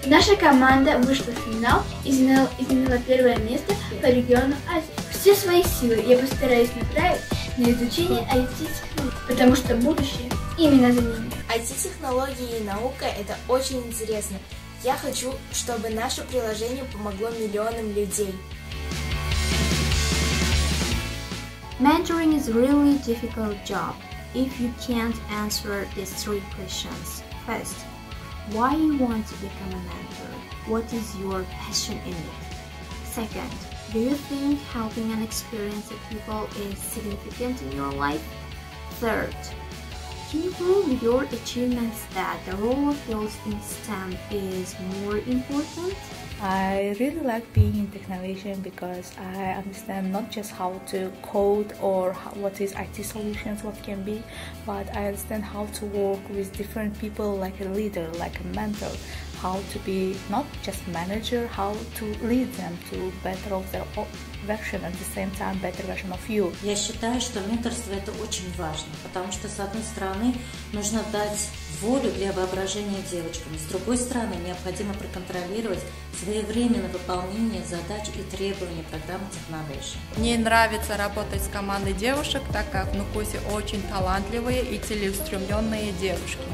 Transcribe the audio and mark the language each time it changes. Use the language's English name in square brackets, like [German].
[Russian] Наша команда вышла в финал и заняла первое место по региону Азии. Все свои силы я постараюсь направить на изучение IT-технологий, потому что будущее именно за ними. IT-технологии и наука – это очень интересно. Я хочу, чтобы наше приложение помогло миллионам людей. [English] Mentoring is really difficult job if you can't answer these three questions. First, why you want to become a mentor? What is your passion in it? Second, do you think helping and experiencing people is significant in your life? Third, can you prove with your achievements that the role of girls in STEM is more important? I really like being in Technovation because I understand not just how to code or what is IT solutions, what can be, but I understand how to work with different people like a leader, like a mentor, how to be not just manager, how to lead them to better of their version at the same time better version of you. [Russian] Я считаю, что менторство это очень важно, потому что с одной стороны нужно дать волю для воображения девочкам, с другой стороны необходимо проконтролировать своевременно выполнение задач и требований программы Technovation. Мне нравится работать с командой девушек, так как в Нукусе очень талантливые и целеустремленные девушки.